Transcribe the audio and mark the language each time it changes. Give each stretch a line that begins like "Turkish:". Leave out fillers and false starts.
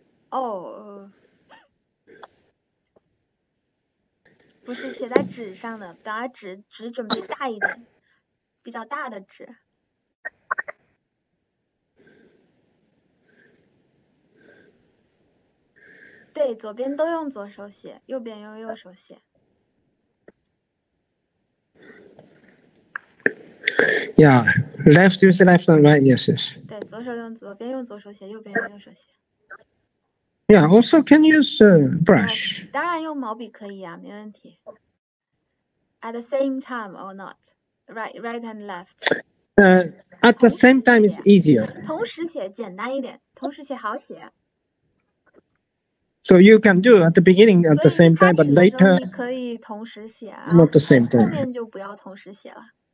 Chinese: 哦、不是写在纸上的，把纸准备大一点，比较大的纸。对，左边都用左手写，右边用右手写。
English: Yeah, left is left and right, yes, yes.
Chinese: 对，左手用左边用左手写，右边用右手写。
English: Yeah, also can use brush.
Chinese: 当然用毛笔可以啊，没问题。
English: At the same time or not? Right and left. At the same time is easier.
Chinese: 同时写简单一点，同时写好写。
English: So you can do at the beginning at the same time, but later.
Chinese: 你可以同时写啊。
English: Not the same time.
Chinese: 后面就不要同时写了。